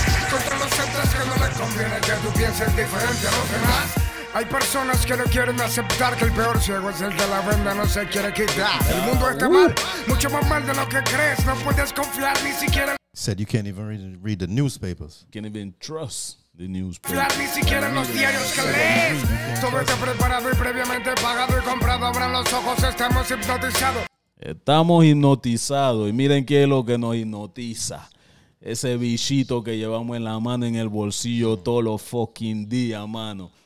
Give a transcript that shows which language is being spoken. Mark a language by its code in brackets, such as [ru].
[es] Contra los centros que no le conviene que tú pienses diferente a los demás. Hay personas que no quieren aceptar que el peor ciego es el de la venda, no se quiere quitar. El mundo está mal, mucho más mal de lo que crees. No puedes confiar ni siquiera. [en] Said you can't even read the newspapers. Can't even trust. [es] Ni siquiera en los diarios que lees. Todo está preparado y previamente pagado y comprado. Abran los ojos, estamos hipnotizados. Estamos hipnotizados. Y miren qué es lo que nos hipnotiza. Ese bichito que llevamos en la mano, en el bolsillo, todos los fucking días, mano.